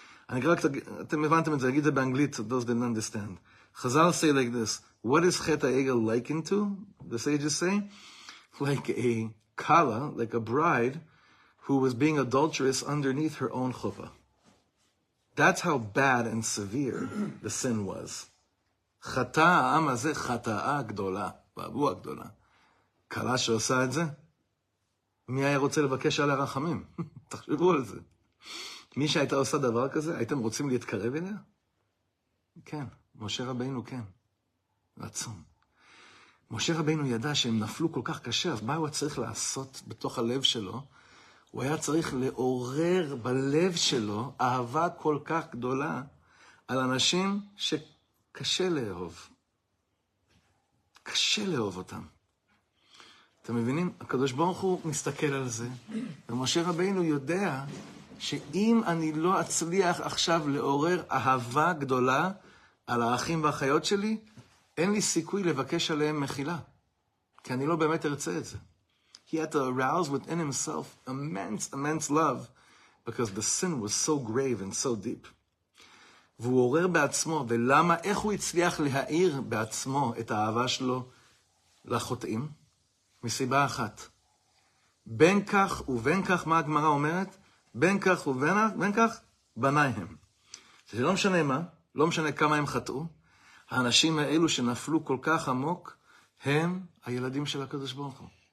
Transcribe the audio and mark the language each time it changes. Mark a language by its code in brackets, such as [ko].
[he] אני רק, אתם הבנתם את זה, להגיד את זה באנגלית, [en] those didn't understand. חזל say like this, what is חטא העגל likened to? The sages say, like a kala, like a bride, who was being adulterous underneath her own chuppah. That's how bad and severe the sin was. [he] חטא העם הזה, חטאה גדולה, בעבוע גדולה. קלה שעושה את זה? מי היה רוצה לבקש עליה רחמים? תחשבו על זה. מי שהייתה עושה דבר כזה, הייתם רוצים להתקרב אליה? כן, משה רבינו כן. רצון. משה רבינו ידע שהם נפלו כל כך קשה, אז מה הוא צריך לעשות בתוך הלב שלו? הוא היה צריך לעורר בלב שלו אהבה כל כך גדולה על אנשים שקשה לאהוב. קשה לאהוב אותם. אתם מבינים? הקדוש ברוך הוא מסתכל על זה, ומשה רבינו יודע שאם אני לא אצליח עכשיו לעורר אהבה גדולה על האחים והאחיות שלי, אין לי סיכוי לבקש עליהם מחילה, כי אני לא באמת ארצה את זה. [en] He had to arouse within himself immense, immense love, because the sin was so grave and so deep. [he] והוא עורר בעצמו, ולמה, איך הוא הצליח להאיר בעצמו את האהבה שלו לחוטאים? מסיבה אחת. בין כך ובין כך, מה הגמרא אומרת? בין כך ובין כך, בניי הם. זה לא משנה מה, לא משנה כמה הם חטאו, האנשים האלו שנפלו כל כך עמוק, הם הילדים של הקדוש ברוך הוא.